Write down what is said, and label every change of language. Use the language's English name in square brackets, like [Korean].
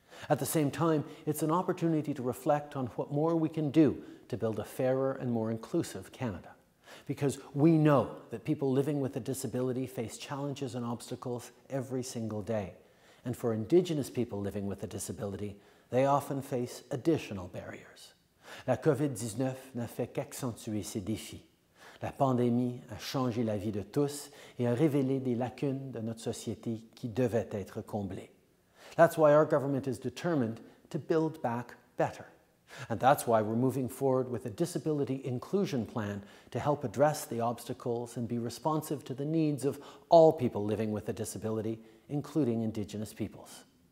[English] At the same time, it's an opportunity to reflect on what more we can do to build a fairer and more inclusive Canada. Because we know that people living with a disability face challenges and obstacles every single day. And for Indigenous people living with a disability, they often face additional barriers. [French] La COVID-19 n'a fait qu'accentuer ces défis. La pandémie a changé la vie de tous et a révélé des lacunes de notre société qui devaient être comblées. [English] That's why our government is determined to build back better. And that's why we're moving forward with a disability inclusion plan to help address the obstacles and be responsive to the needs of all people living with a disability, including Indigenous peoples.